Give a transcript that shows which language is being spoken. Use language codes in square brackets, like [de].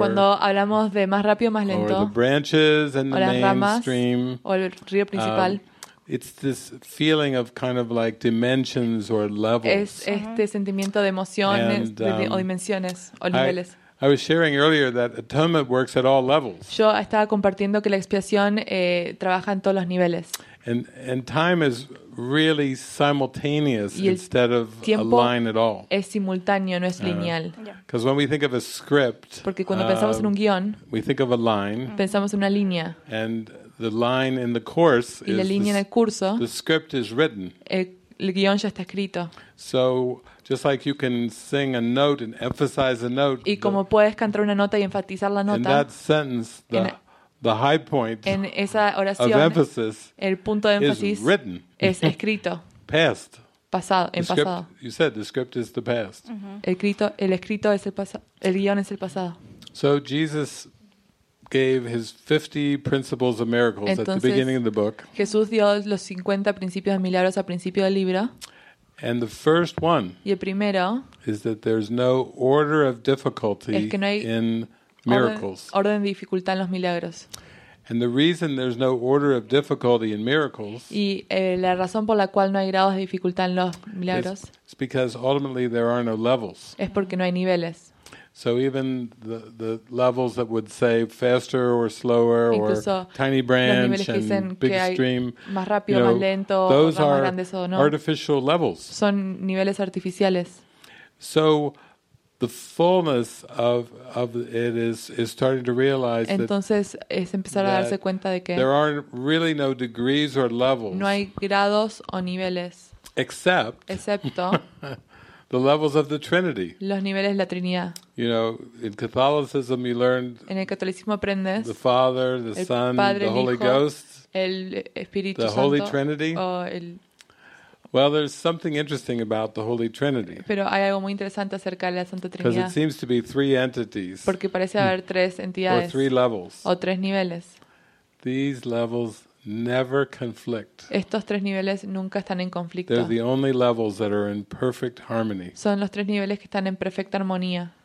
[es] cuando hablamos de más rápido, más lento, [en] or the branches and the mainstream, [es] o el río principal, [en] it's this feeling of kind of like dimensions or levels. [es] Es este uh-huh. sentimiento de emociones and, o dimensiones o niveles. [en] I was sharing earlier that atonement works at all levels. [es] Yo estaba compartiendo que la expiación trabaja en todos los niveles. [en] And time is really simultaneous instead of a line at all. [es] Es simultáneo, no es lineal. [en] Because when we think of a script, [es] porque cuando pensamos en un guion, [en] we think of a line. [es] Pensamos en una línea. [en] And the line in the course [es] y la línea [en] is [es] en el curso, [en] the script is written. [es] El guion ya está escrito. [en] So just like you can sing a note and emphasize a note, [es] y como puedes cantar una nota y enfatizar la nota, [en] in that sentence, the high point [es] en esa oración, [en] of emphasis, [es] el punto de énfasis [en] is written, [es] es escrito, [en] past, [es] pasado, en [en] script, [es] pasado. [en] You said the script is the past. [es] Uh-huh. El escrito es el pasado. El guion es el pasado. [en] So Jesus gave his 50 principles of miracles. [es] Entonces, [en] at the beginning of the book. [es] Jesús dio los 50 principios de milagros al principio del libro. [en] And the first one, [es] y el primero, [en] is that there's no order of difficulty, [es] es que no hay [en] in miracles. [es] Orden de dificultad en los milagros. [en] And the reason there's no order of difficulty in miracles, [es] y la razón por la cual no hay grados de dificultad en los milagros, [en] is because ultimately there are no levels. [es] Es porque no hay niveles. [en] So even the levels that would say faster or slower, [es] incluso [en] or tiny branch and big stream, [es] más rápido, [en] you know, [es] más lento, [en] those [es] más [en] are [es] grandes, o no, [en] artificial levels. [es] Son niveles artificiales. [en] So the fullness of it is starting to realize. [es] Entonces, [en] that, [es] es empezar a darse cuenta de que [en] there are really no degrees or levels. [es] No hay grados o niveles. Excepto. [en] The levels of the Trinity. [es] Los niveles de la Trinidad. [en] You know, in Catholicism you learned [es] en el catolicismo aprendes [en] the Father, the Son, [es] Padre, [en] the Holy [es] Hijo, [en] Ghost, [es] el Espíritu [en] the [es] Santo, [en] Holy Trinity. [es] El... [en] Well, there's something interesting about the Holy Trinity. [es] Pero hay algo muy interesante acerca de la Santa Trinidad. [en] Because it seems to be three entities. [es] Porque parece haber tres entidades. [en] Or three levels. [es] O tres niveles. [en] These levels never conflict. [es] Estos tres niveles nunca están en conflicto. [en] They're the only levels that are in perfect harmony. [es] Son los tres niveles que están en perfecta armonía.